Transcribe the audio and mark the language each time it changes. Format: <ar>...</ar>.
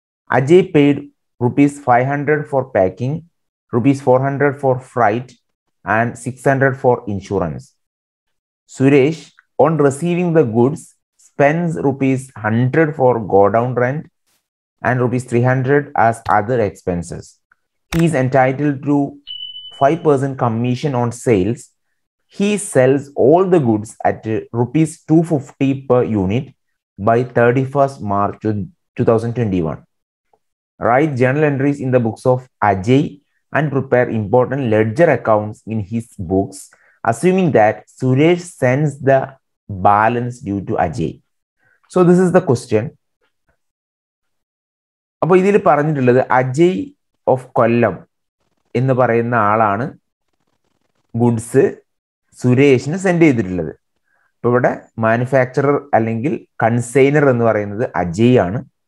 <en>Ajay paid ₹500 for packing, ₹400 for freight and ₹600 for insurance. Suresh on receiving the goods spends ₹100 for godown rent and ₹300 as other expenses. He is entitled to 5% commission on sales. He sells all the goods at ₹250 per unit by 31st March 2021. Write journal entries in the books of Ajay and prepare important ledger accounts in his books, assuming that Suresh sends the balance due to Ajay. So this is the question.</en> <ml>അപ്പോൾ ഇതിൽ പറഞ്ഞിട്ടുള്ളത് Ajay of കൊല്ലം എന്ന് പറയുന്ന ആളാണ് goods സുരേഷിന് send ചെയ്തിട്ടുള്ളത്. അപ്പോൾ ഇവിടെ മാനുഫാക്ചറർ അല്ലെങ്കിൽ കൺസൈനർ എന്ന് പറയുന്നത് അജയ് ആണ്.</ml>